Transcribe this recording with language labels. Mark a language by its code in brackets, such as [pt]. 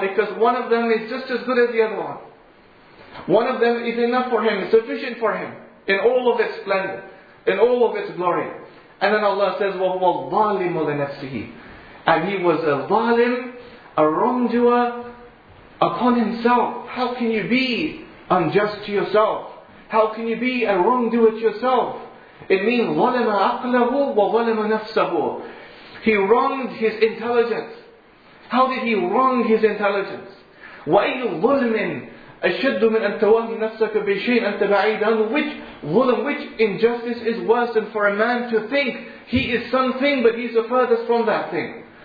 [en] Because one of them is just as good as the other one. One of them is enough for him, sufficient for him, in all of its splendor, in all of its glory. And then Allah says, [ar] وَهُوَ الظَّالِمُ لِنَفْسِهِ. [en] And he was a ظَالِم, a wrongdoer, upon himself. How can you be unjust to yourself? How can you be a wrongdoer to yourself? [ar] It means ظَلَمَ عَقْلَهُ وَظَلَمَ نَفْسَهُ. [en] He wronged his intelligence. How did he wrong his intelligence? [ar] وَأَيُّ ظُلْمٍ أَشَدُّ مِنْ أَن تَوَهِّ نَفْسَكَ بِشَيْءٍ أَن تَبَعِيدًا. [en] Which ظُلْم, which injustice is worse than for a man to think he is something but he's the furthest from that thing?